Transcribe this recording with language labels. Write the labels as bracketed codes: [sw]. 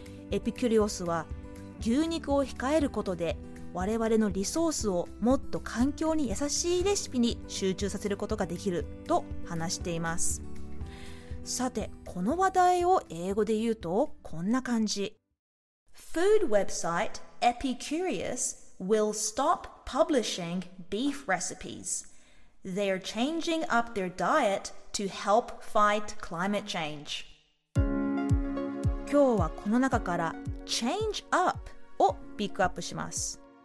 [ja] エピキュリオスは牛肉を控えることで我々のリソースをもっと環境に優しいレシピに集中させることができると話しています。さてこの話題を英語で言うとこんな感じ。 [en] Food website Epicurious will stop publishing beef recipes. They are changing up their diet to help fight climate change. [ja] 今日はこの中から change up をピックアップします。